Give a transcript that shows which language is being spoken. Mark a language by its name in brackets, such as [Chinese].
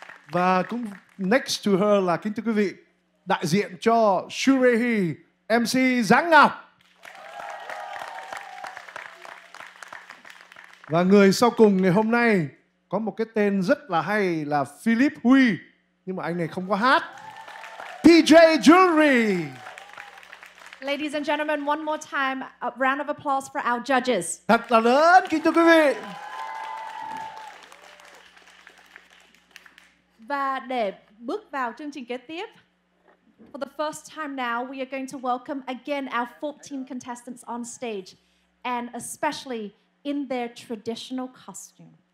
[Vietnamese] Và cũng [English] next to her [Vietnamese] là kính thưa quý vị, đại diện cho Shurehi, MC Giáng Ngọc. Và người sau cùng ngày hôm nay có một cái tên rất là hay là Philip Huy. Nhưng mà anh này không có hát. [English] PJ Jewelry. Ladies and gentlemen, one more time, a round of applause for our judges. [Vietnamese] Thật là lớn, kính thưa quý vị. Và để bước vào chương trình kế tiếp, [English] for the first time now, we are going to welcome again our 14 contestants on stage. And especially in their traditional costume.